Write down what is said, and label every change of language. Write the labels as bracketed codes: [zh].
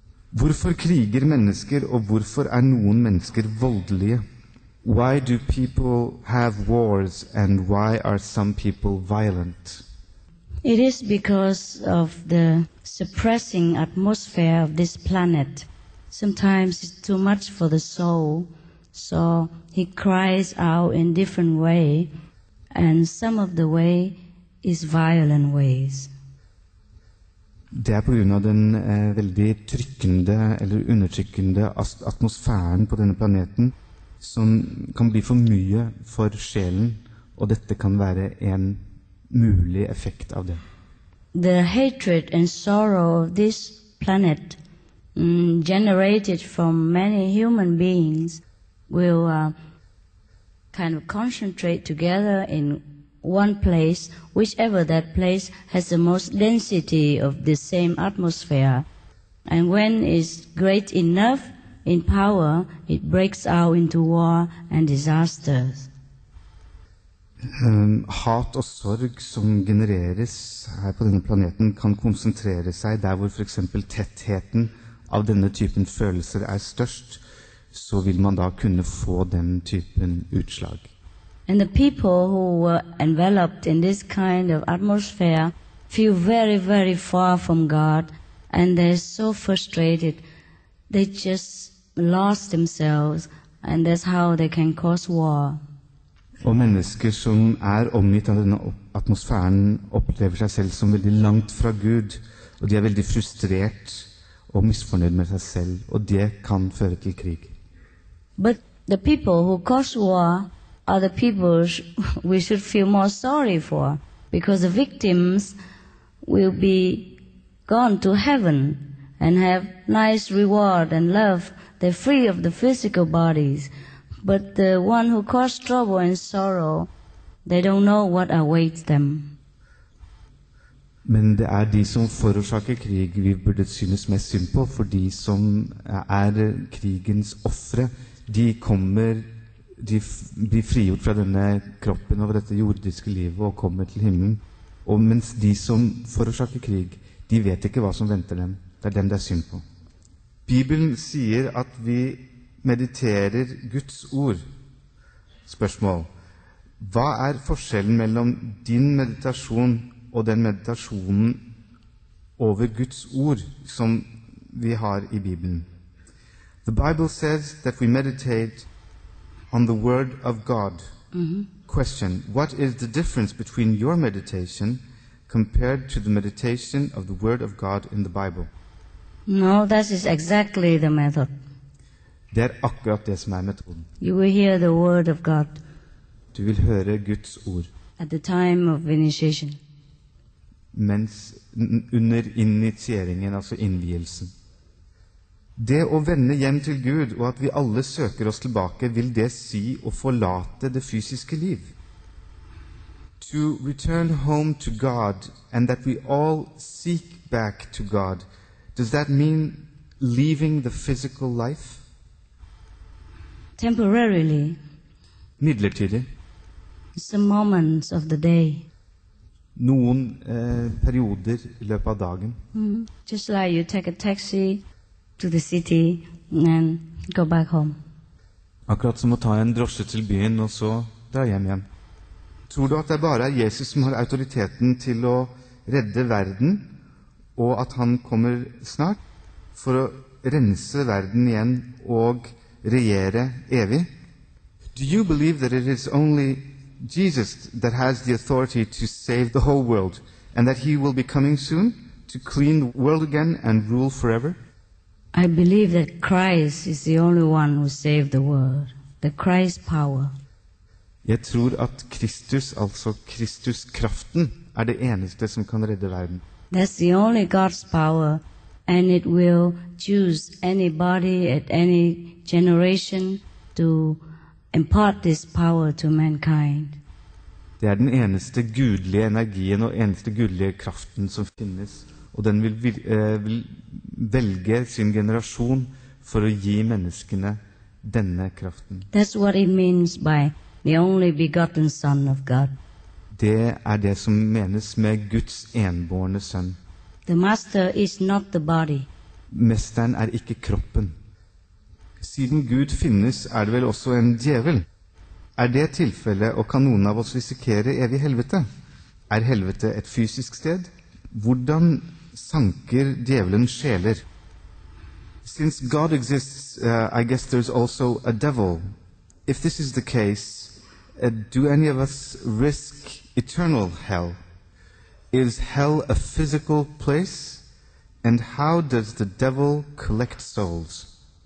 [no] Hvorfor kriger mennesker, og hvorfor noen mennesker voldelige? [en] Why do people have wars, and why are some people violent? It is because of the suppressing atmosphere of this planet. Sometimes it's too much for the soul, so he cries out in different way, and some of the way is violent ways. [sv] Det på grund av den väldigt tryckande eller undertryckande atmosfären på denna planeten som kan bli för mycket för själen och detta kan vara en möjlig effekt av det. [en] The hatred and sorrow of this planet generated from many human beings will kind of concentrate together in one place, whichever that place has the most density of the same atmosphere. And when it's great enough in power, it breaks out into war and disasters. [sv] Hat och sorg som genereras här på denna planeten kan koncentrera sig där hvor för exempel tettheten av denna typen känslor är störst, så vill man då kunna få den typen utslag. [en] And the people who were enveloped in this kind of atmosphere feel very, very far from God, and they're so frustrated, they just lost themselves, and that's how they can cause war. [sv] Och människor som är omgivet av den atmosfären upplever sig själv som väldigt långt från Gud, och de är väldigt frustrerat och missnöjda med sig själv, och det kan föra till krig. [en] But the people who cause war are the people we should feel more sorry for, because the victims will be gone to heaven and have nice reward and love. They're free of the physical bodies. But the one who caused trouble and sorrow, they don't know what awaits them. [sv] Men det är de som förorsakar krig vi borde synas mest synd på, för de som är krigens offre, de kommer, de blir frigjort från denna kroppen och detta jordiska liv och kommer till himlen. Och mens de som förorsakar krig, de vet inte vad som väntar dem. Det är dem det är synd på. Bibeln säger att vi mediterar Guds ord. Spørsmål. Vad är skillnaden mellan din meditation och den meditationen över Guds ord som vi har i Bibeln? [en] The Bible says that we meditate on the word of God. Mm-hmm. Question: what is the difference between your meditation compared to the meditation of the word of God in the Bible? No, that is exactly the method. [no] Det er akkurat det som er metoden. [en] You will hear the word of God. [no] Du vil høre Guds ord. [en] At the time of initiation. [no] Mens under initieringen, altså innvielsen. Det å vende hjem til Gud og at vi alle søker oss tilbake, vil det si å forlate det fysiske liv. [en] To return home to God and that we all seek back to God, does that mean leaving the physical life? Temporarily. [no] Midlertidig. [en] Some moments of the day. [no] Noen perioder I løpet av dagen. [en] Just like you take a taxi to the city and go back home. [no] Akkurat som å ta en drosje til byen og så dra hjem igjen. Tror du at det bare er Jesus som har autoriteten til å redde verden, og at han kommer snart for å rense verden igjen og regjere evig? [en] Do you believe that it is only Jesus that has the authority to save the whole world, and that he will be coming soon to clean the world again and rule forever? I believe that Christ is the only one who saved the world, the Christ power. [no] Jeg tror at Kristus, altså Kristus kraften, er det eneste som kan redde verden. [en] That's the only God's power, and it will choose anybody at any generation to impart this power to mankind. [no] Det er den eneste gudlige energien og eneste gudlige kraften som finnes, og den vil velge sin generation for å gi menneskene denne kraften. [en] That's what it means by the only begotten Son of God. [sv] Det är det som menas med Guds enbårne son. [en] The master is not the body. [sv] Mästaren är inte kroppen. [no] Siden Gud finnes, [sv] är det väl också en djävul. Är det tillfälle och kan någon av oss riskera evig helvete? Är helvete ett fysiskt sted? Hur sanker djävulen själar? [en] Since God exists, I guess there's also a devil. If this is the case, do any of us risk eternal hell? Is hell a physical place? And how does the devil collect souls?